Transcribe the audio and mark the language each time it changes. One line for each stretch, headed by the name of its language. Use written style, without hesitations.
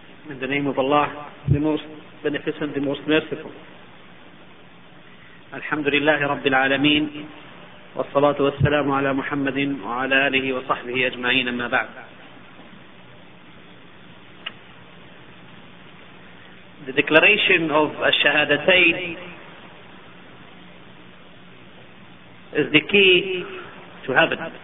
English: In the name of Allah, the most beneficent, the most merciful.
Arabic: الحمد لله رب العالمين والصلاة والسلام على محمد وعلى آله وصحبه أجمعين. أما بعد,
English: the declaration of الشهادتين is the key to heaven.